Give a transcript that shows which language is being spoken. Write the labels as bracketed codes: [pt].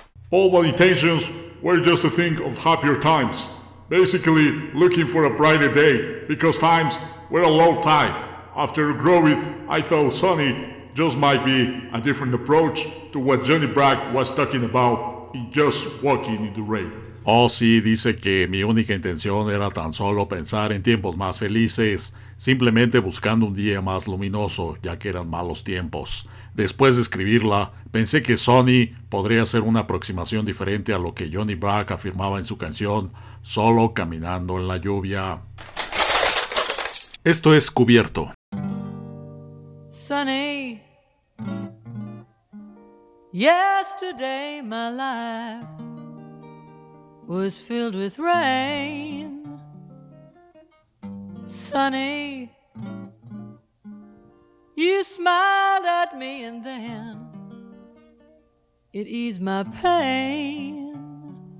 [en] All my intentions were just to think of happier times. Basically, looking for a brighter day, because times were a low tide. After Growit, I thought Sunny just might be a different approach to what Johnny Bragg was talking about in Just Walking in the Rain. [es] Oh sí, dice que mi única intención era tan solo pensar en tiempos más felices, simplemente buscando un día más luminoso, ya que eran malos tiempos. Después de escribirla, pensé que Sonny podría ser una aproximación diferente a lo que Johnny Bragg afirmaba en su canción Solo caminando en la lluvia. Esto es Cubierto. [en] Sonny, yesterday my life was filled with rain. Sonny, you smiled at me and then it eased my pain.